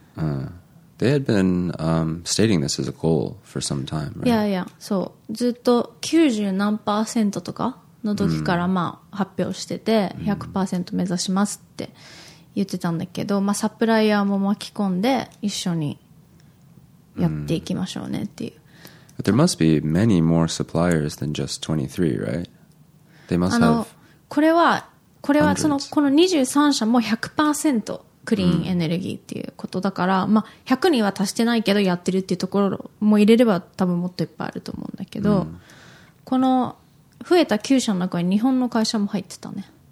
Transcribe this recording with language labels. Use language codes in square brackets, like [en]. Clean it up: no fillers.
[en] They had been stating this as a goal for some time, right? Yeah, yeah, [ja] そう。ずっと90何パーセントとかの時からまあ発表してて、100% 目指しますって言ってたんだけど、まあサプライヤーも巻き込んで一緒に。やっていきましょうねっていう。 [en] But there must be many more suppliers than just 23, right? They must have. [ja] これはそのこの23社も 100% クリーンエネルギーっていうことだから、まあ100人は足してないけどやってるっていうところも入れれば多分もっといっぱいあると思うんだけど、この増えた9社の中に日本の会社も入ってたね。